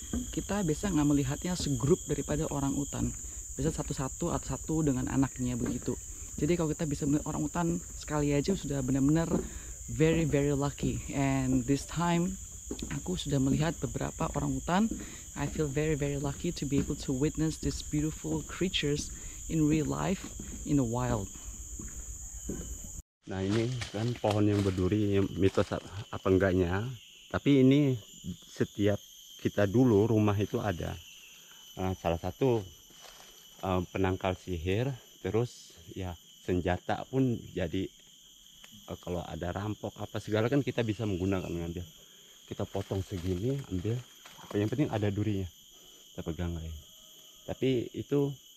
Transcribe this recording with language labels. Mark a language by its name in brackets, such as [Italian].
[Indonesian] Kita biasa nggak melihatnya segrup daripada orang utan, biasa satu-satu atau satu dengan anaknya begitu. Jadi kalau kita bisa melihat orang utan sekali aja sudah benar-benar [English] very very lucky. And this time [Indonesian] aku sudah melihat beberapa orang utan. [English] I feel very very lucky to be able to witness these beautiful creatures in real life in the wild. [Indonesian] Nah, ini kan pohon yang berduri, mitos apa enggaknya, tapi ini setiap kita dulu rumah itu ada salah satu penangkal sihir, terus ya senjata pun jadi kalau ada rampok apa segala kan kita bisa menggunakan, ngambil kita potong segini ambil, apa yang penting ada durinya kita pegang lagi. Tapi itu